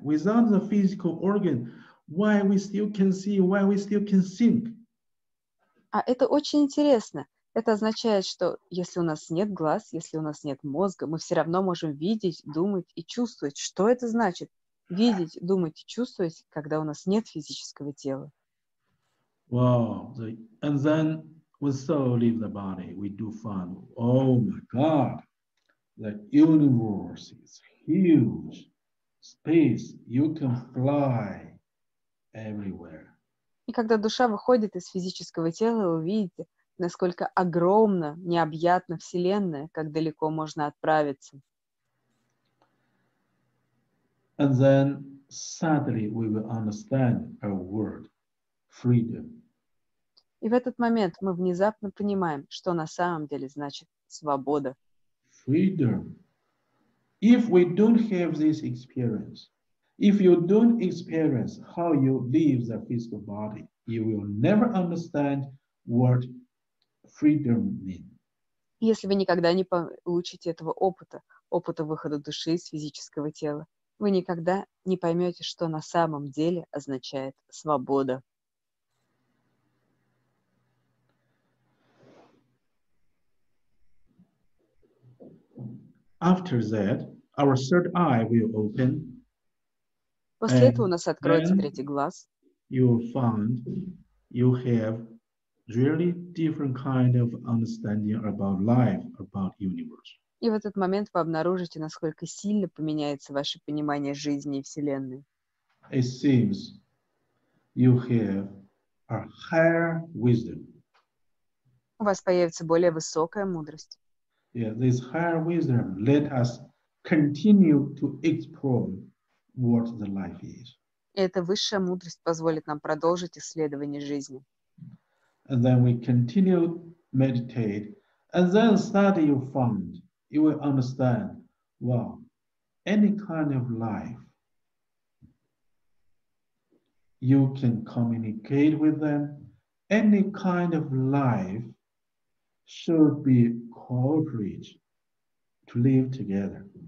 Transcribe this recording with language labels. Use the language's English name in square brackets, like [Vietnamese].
[English] Without the physical organ, why we still can see, why we still can think? [Russian] А это очень интересно. Это означает, что если у нас нет глаз, если у нас нет мозга, мы все равно можем видеть, думать и чувствовать. Что это значит? Видеть, думать, чувствовать, когда у нас нет физического тела. [English] Wow. And then when soul leaves the body, we do find, oh my God, the universe is huge. Space, you can fly everywhere. [Russian] И когда душа выходит из физического тела, вы видите, насколько огромна, необъятна Вселенная, как далеко можно отправиться. [English] And then, sadly, we will understand our word, freedom. [Russian] И в этот момент мы внезапно понимаем, что на самом деле значит свобода. [English] Freedom. If we don't have this experience, if you don't experience how you leave the physical body, you will never understand what freedom means. [Russian] Если вы никогда не получите этого опыта, опыта выхода души из физического тела, вы никогда не поймете, что на самом деле означает свобода. [English] After that, our third eye will open. [Russian] После этого у нас откроется третий глаз. [English] You will find you have really different kind of understanding about life, about universe. [Russian] И в этот момент вы обнаружите, насколько сильно поменяется ваше понимание жизни и Вселенной. [English] It seems you have a higher wisdom. [Russian] У вас появится более высокая мудрость. [English] Yeah, this higher wisdom let us continue to explore what the life is. [Russian] Эта высшая мудрость позволит нам продолжить исследование жизни. [English] And then we continue meditate, and then suddenly you find, you will understand, wow, any kind of life, you can communicate with them, any kind of life should be cooperate to live together.